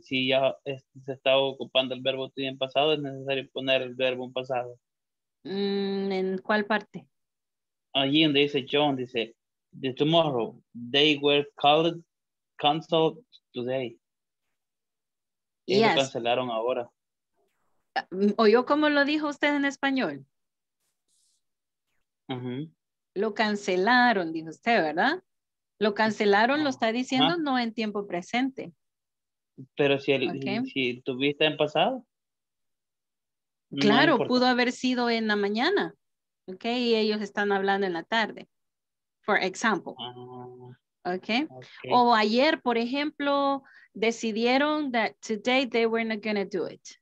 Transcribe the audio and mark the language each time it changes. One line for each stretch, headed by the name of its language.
Spanish: Si ya se está ocupando el verbo to be en pasado, es necesario poner el verbo en pasado. ¿En cuál parte? Allí donde dice
English: John, dice, the tomorrow, they were called, canceled today.
Spanish: Yes. Y lo cancelaron ahora. ¿Oyó cómo lo dijo usted en español? Uh-huh. Lo cancelaron, dijo usted, ¿verdad? Lo cancelaron, lo está diciendo, no en tiempo presente. Pero si, si tuviste en pasado. Claro, no pudo haber sido en la mañana. Ok, y ellos están hablando en la tarde.
English: For example. Okay.
Spanish: O ayer, por ejemplo, decidieron
English: that today they were not going to do it.